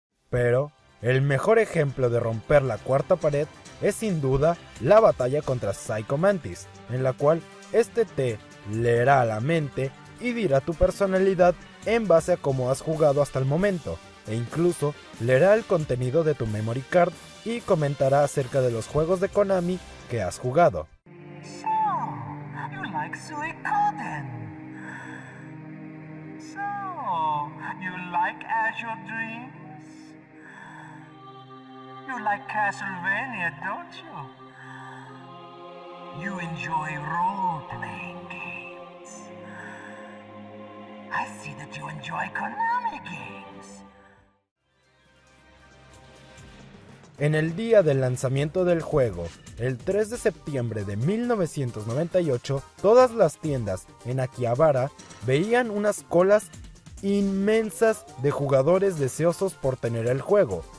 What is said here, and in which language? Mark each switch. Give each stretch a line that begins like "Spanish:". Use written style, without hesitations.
Spanish: Pero el mejor ejemplo de romper la cuarta pared es sin duda la batalla contra Psycho Mantis, en la cual este te leerá la mente y dirá tu personalidad en base a cómo has jugado hasta el momento, e incluso leerá el contenido de tu memory card y comentará acerca de los juegos de Konami que has jugado.
English: So, you like Suikoden. So, you like Azure Dreams. You like Castlevania, don't you? You enjoy role-playing games. I see that you enjoy Konami games.
Spanish: En el día del lanzamiento del juego, el 3 de septiembre de 1998, todas las tiendas en Akihabara veían unas colas inmensas de jugadores deseosos por tener el juego.